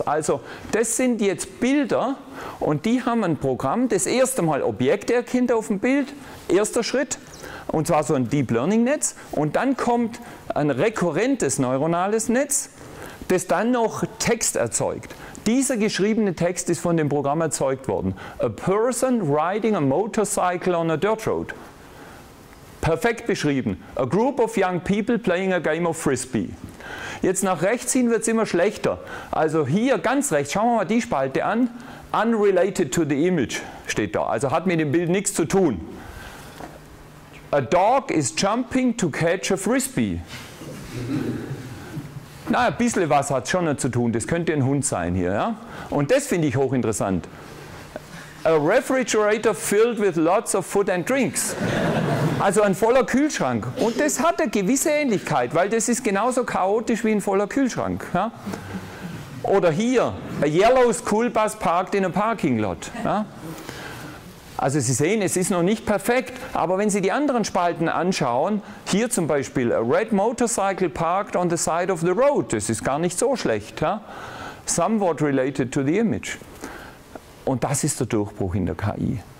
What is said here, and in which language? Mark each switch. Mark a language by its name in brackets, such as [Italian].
[German] Also das sind jetzt Bilder und die haben ein Programm, das erste Mal Objekte erkennt auf dem Bild, erster Schritt, und zwar so ein Deep Learning Netz. Und dann kommt ein rekurrentes neuronales Netz, das dann noch Text erzeugt. Dieser geschriebene Text ist von dem Programm erzeugt worden. [English] A person riding a motorcycle on a dirt road. [German] Perfekt beschrieben. [English] A group of young people playing a game of frisbee. [German] Jetzt nach rechts hin wird es immer schlechter. Also hier ganz rechts, schauen wir mal die Spalte an. [English] Unrelated to the image [German] steht da. Also hat mit dem Bild nichts zu tun. [English] A dog is jumping to catch a frisbee. [German] Na, ein bisschen was hat schon zu tun. Das könnte ein Hund sein hier. Ja? Und das finde ich hochinteressant. [English] A refrigerator filled with lots of food and drinks. [German] Also ein voller Kühlschrank. Und das hat eine gewisse Ähnlichkeit, weil das ist genauso chaotisch wie ein voller Kühlschrank. Ja? Oder hier, [English] a yellow school bus parked in a parking lot. [German] Ja? Also Sie sehen, es ist noch nicht perfekt, aber wenn Sie die anderen Spalten anschauen, hier zum Beispiel, [English] a red motorcycle parked on the side of the road, [German] das ist gar nicht so schlecht. Ja? [English] Somewhat related to the image. [German] Und das ist der Durchbruch in der KI.